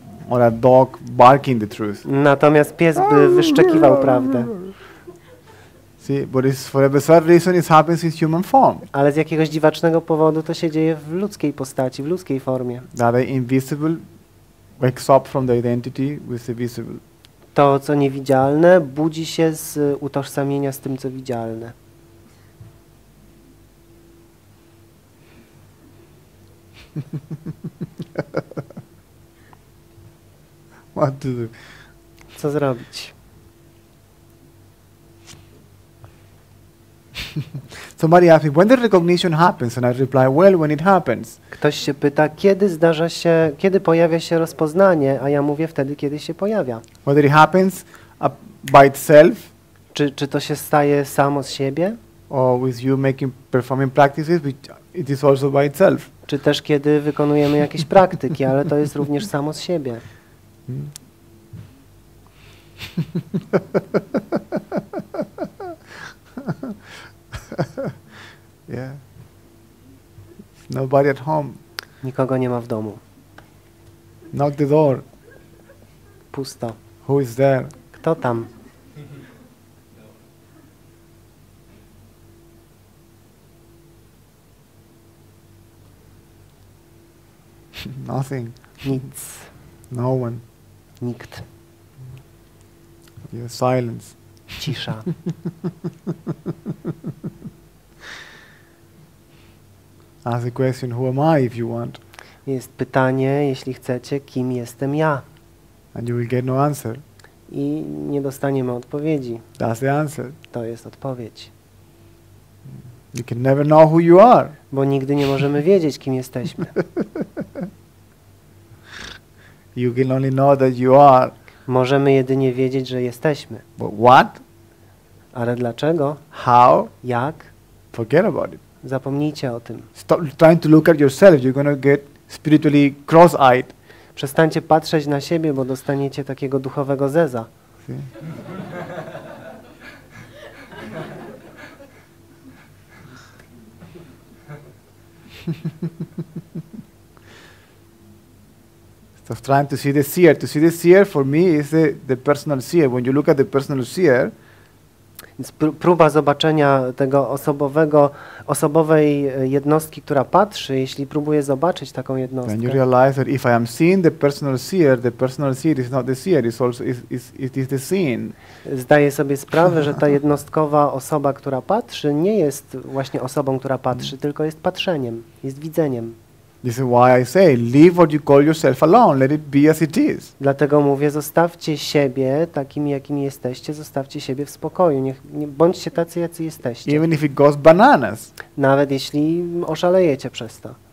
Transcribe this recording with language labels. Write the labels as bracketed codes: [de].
[en] Or a dog barking the truth. [pl] Natomiast pies by wyszczekiwał prawdę. [en] But it's for a bizarre reason it happens in human form. [pl] Ale z jakiegoś dziwacznego powodu to się dzieje w ludzkiej postaci, w ludzkiej formie. [en] That the invisible wakes up from the identity with the visible. [pl] To, co niewidzialne, budzi się z utożsamienia z tym, co widzialne. [en] What to do? [pl] Co zrobić? [en] Somebody asked me, when the recognition happens, and I reply, well, when it happens. [pl] Ktoś się pyta, kiedy pojawia się rozpoznanie, a ja mówię wtedy, kiedy się pojawia. [en] Whether it happens by itself. [pl] Czy to się staje samo z siebie? [en] Or with you making performing practices, which it is also by itself. [pl] Czy też kiedy wykonujemy jakieś praktyki, ale to jest również samo z siebie. [en] Yeah. Nobody at home. [pl] Nikogo nie ma w domu. [en] Knock the door. [pl] Pusto. [en] Who is there? [pl] Kto tam? [en] Nothing. [pl] Nic. [en] No one. [pl] Nikt. [en] Yeah, silence. [pl] Cisza. [en] Ask the question, who am I, if you want. [pl] Jest pytanie, jeśli chcecie, kim jestem ja. [en] And you will get no answer. [pl] I nie dostaniemy odpowiedzi. [en] That's the answer. [pl] To jest odpowiedź. [en] You can never know who you are. [pl] Bo nigdy nie możemy wiedzieć, kim jesteśmy. [en] You can only know that you are. [pl] Możemy jedynie wiedzieć, że jesteśmy. [en] But what? [pl] Ale dlaczego? [en] How? [pl] Jak? [en] Forget about it. [pl] Zapomnijcie o tym. [en] Stop trying to look at yourself. You're gonna get spiritually cross-eyed. [pl] Przestańcie patrzeć na siebie, bo dostaniecie takiego duchowego zeza. [en] Stop trying to see the seer. To see the seer for me is the personal seer. When you look at the personal seer. [pl] Więc próba zobaczenia tego osobowej jednostki, która patrzy, jeśli próbuje zobaczyć taką jednostkę. [en] Then you realize that if I am seeing the personal seer is not the seer, it's also it is the seen. [pl] Zdaję sobie sprawę, że ta jednostkowa osoba, która patrzy, nie jest właśnie osobą, która patrzy, tylko jest patrzeniem, jest widzeniem. [en] This is why I say, leave what you call yourself alone. Let it be as it is. [pl] Dlatego mówię, zostawcie siebie takim, jakim jesteście. Zostawcie siebie w spokoju. Nie bądźcie tacy, jacy jesteście. [en] Even if it goes bananas. [pl] Nawet jeśli oszalejecie przez to.